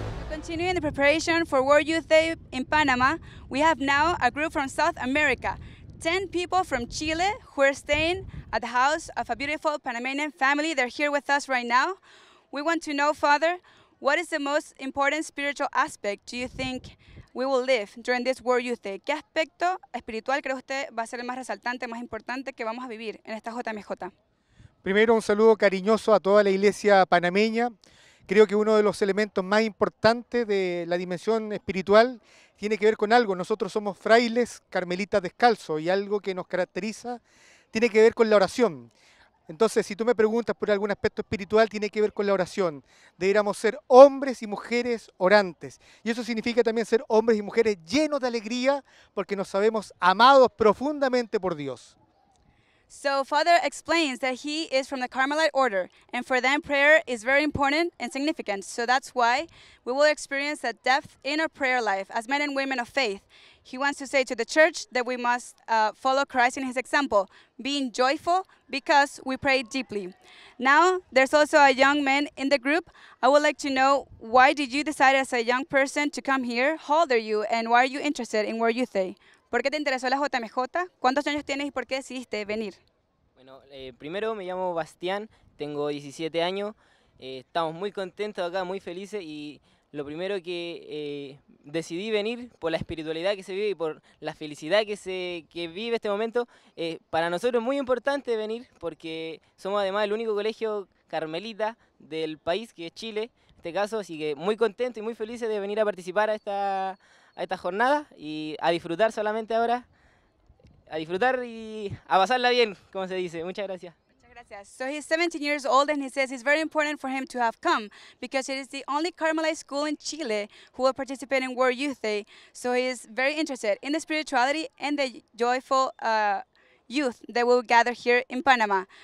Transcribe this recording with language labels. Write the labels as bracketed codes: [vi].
[en] Continuing the preparation for World Youth Day in Panama, we have now a group from South America, 10 people from Chile who are staying at the house of a beautiful Panamanian family. They're here with us right now. We want to know, Father, what is the most important spiritual aspect do you think we will live during this World Youth Day? [es] ¿Qué aspecto espiritual cree usted va a ser el más resaltante, más importante que vamos a vivir en esta JMJ? Primero, un saludo cariñoso a toda la iglesia panameña. Creo que uno de los elementos más importantes de la dimensión espiritual tiene que ver con algo. Nosotros somos frailes carmelitas descalzos y algo que nos caracteriza tiene que ver con la oración. Entonces, si tú me preguntas por algún aspecto espiritual, tiene que ver con la oración. Deberíamos ser hombres y mujeres orantes. Y eso significa también ser hombres y mujeres llenos de alegría porque nos sabemos amados profundamente por Dios. [en] So Father explains that he is from the Carmelite order, and for them prayer is very important and significant. So that's why we will experience that depth in our prayer life as men and women of faith. He wants to say to the church that we must follow Christ in his example, being joyful because we pray deeply. Now there's also a young man in the group. I would like to know, why did you decide as a young person to come here? How old are you and why are you interested in World Youth Day? [es] ¿Por qué te interesó la JMJ? ¿Cuántos años tienes y por qué decidiste venir? Bueno, primero me llamo Bastián, tengo 17 años. Estamos muy contentos acá, muy felices. Y lo primero que decidí venir por la espiritualidad que se vive y por la felicidad que vive este momento, para nosotros es muy importante venir porque somos además el único colegio carmelita del país, que es Chile, en este caso. Así que muy contento y muy feliz de venir a participar a esta jornada y a disfrutar solamente ahora, a disfrutar y a pasarla bien, como se dice. Muchas gracias. Muchas gracias. [en] So he's 17 years old and he says it's very important for him to have come because it is the only Carmelite school in Chile who will participate in World Youth Day. So he is very interested in the spirituality and the joyful youth that will gather here in Panama.